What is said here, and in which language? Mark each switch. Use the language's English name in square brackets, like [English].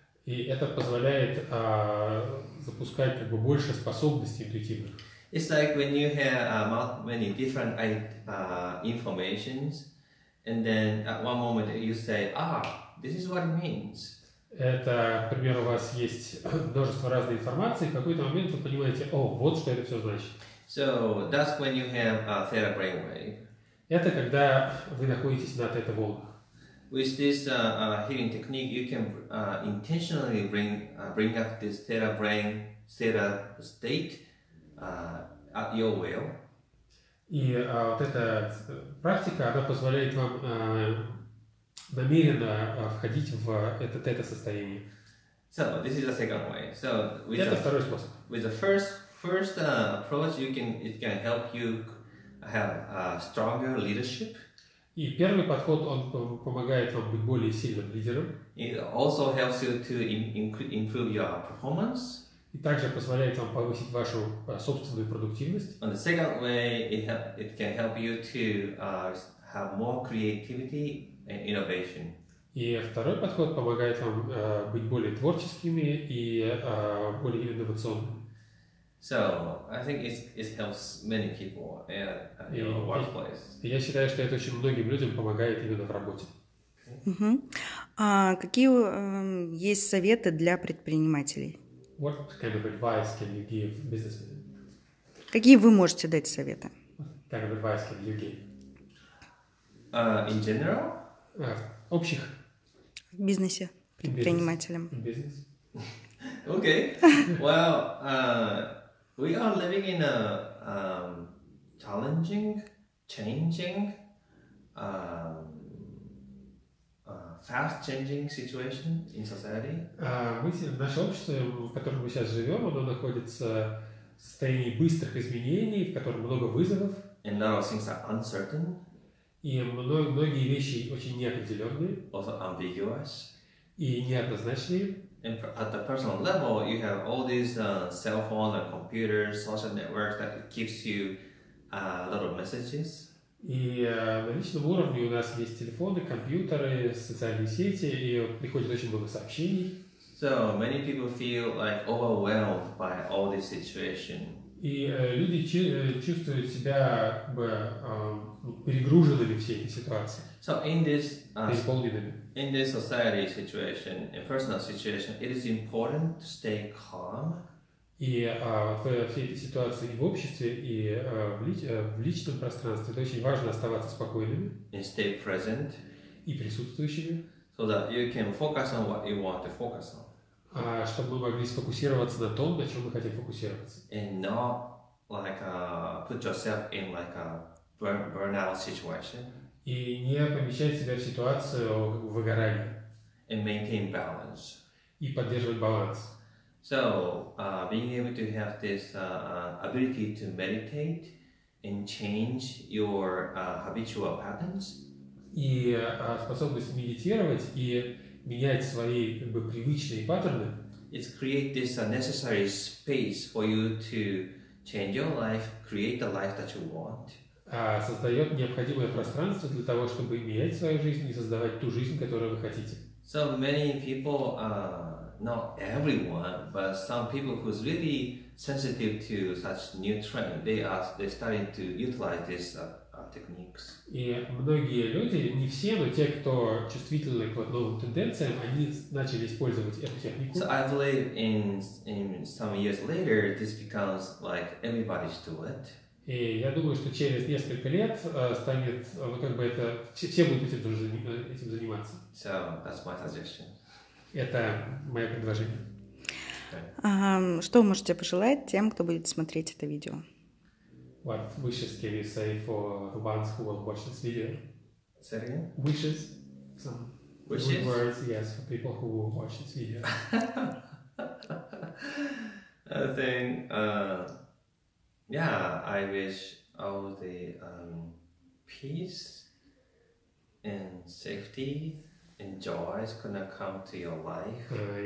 [Russian] И это позволяет запускать как бы больше способностей интуитивных. [English] It's like when you have many different informations, and then at one moment you say, this is what it means. [Russian] Это, к примеру, у вас есть множество разной информации, в какой-то момент вы понимаете, вот что это все значит. [English] So, that's when you have a theta brainwave. [Russian] Это когда вы находитесь на тета-волнах. [English] With this healing technique, you can intentionally bring up this theta brain, theta state at your will. [Russian] И вот эта практика, она позволяет вам намеренно входить в это тета-состояние. [English] So this is the second way. So with the [Russian] второй способ. [English] With the first approach, it can help you have a stronger leadership. [Russian] И первый подход, он помогает вам быть более сильным лидером. [English] It also helps you to improve your performance. [Russian] И также позволяет вам повысить вашу собственную продуктивность. [English] And the second way, it can help you to have more creativity and innovation. [Russian] И второй подход помогает вам быть более творческими и более инновационными. [English] So, I think it helps many people in the workplace. [Russian] Я считаю, что это очень многим людям помогает именно в работе. А какие есть советы для предпринимателей? [English] What kind of advice can you give businessmen? [Russian] Какие вы можете дать советы? [English] What kind of advice can you give? In general? [Russian] Общих. В бизнесе, предпринимателям. [English] In business. Okay. Well, we are living in a challenging, changing, fast-changing situation in society. [Russian] Наше общество, в котором мы сейчас живем, оно находится в состоянии быстрых изменений, в котором много вызовов. [English] And now things are uncertain. [Russian] И многие вещи очень неопределенные. [English] Also ambiguous. [Russian] И неоднозначные. [English] And at the personal level, you have all these cell phones and computers, social networks that gives you a lot of messages. [Russian] И на личном уровне у нас есть телефоны, компьютеры, социальные сети, и приходит очень много сообщений. [English] So many people feel like overwhelmed by all this situation. [Russian] И люди чувствуют себя перегруженными всей этой ситуацией. [English] So in this society situation, in personal situation, it is important to stay calm. [Russian] И в всей этой ситуации и в обществе, и в личном пространстве, это очень важно оставаться спокойными. [English] And stay present. [Russian] И присутствующими. [English] So that you can focus on what you want to focus on. [Russian] Чтобы мы могли сфокусироваться на том, на чем мы хотим фокусироваться. [English] And not like put yourself in like a burnout situation. [Russian] И не помещать себя в ситуацию выгорания. [English] And maintain balance. [Russian] И поддерживать баланс. [English] So, being able to have this ability to meditate and change your habitual patterns. [Russian] И способность медитировать и менять свои как бы привычные паттерны. [English] It's create this necessary space for you to change your life, create the life that you want. [Russian] Создает необходимое пространство для того, чтобы менять свою жизнь и создавать ту жизнь, которую вы хотите. [English] So many people, not everyone, but some people who's really sensitive to such new trend, they starting to utilize this techniques. [Russian] И многие люди, не все, но те, кто чувствительны к новым тенденциям, они начали использовать эту технику. [English] So I believe in some years later, this becomes like everybody's do it. [Russian] И я думаю, что через несколько лет станет, ну, как бы это, все будут этим заниматься. [English] So that's my suggestion. [Russian] Это мое предложение. Что вы можете пожелать тем, кто будет смотреть это видео? [English] What wishes can you say for the ones who will watch this video? Say it again? Wishes. Some wishes? Good words, yes, for people who will watch this video. I think, yeah, I wish all the peace and safety and joy is gonna come to your life.